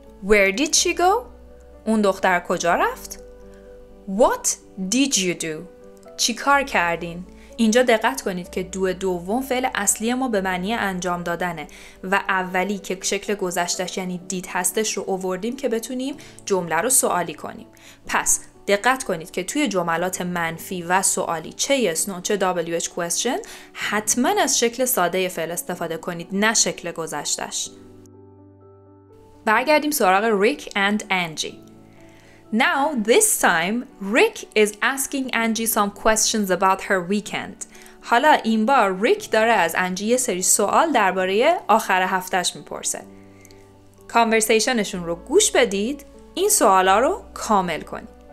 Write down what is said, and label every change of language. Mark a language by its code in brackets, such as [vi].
[en] Where did she go؟ [fa] اون دختر کجا رفت؟ [en] What did you do؟ [fa] چی کار کردین؟ اینجا دقت کنید که دو دوم فعل اصلی ما به معنی انجام دادنه و اولی که شکل گذشتش یعنی did هستش رو آوردیم که بتونیم جمله رو سوالی کنیم. پس دقت کنید که توی جملات منفی و سوالی چه yes no چه WH question حتما از شکل ساده فعل استفاده کنید نه شکل گذشتش. برگردیم سراغ Rick and Angie. [en] Now, this time, Rick is asking Angie some questions about her weekend. [fa] حالا این بار Rick داره از Angie یه سری سوال درباره آخر هفتهش میپرسه. کانورسیشنشون رو گوش بدید، این سوالا رو کامل کنید.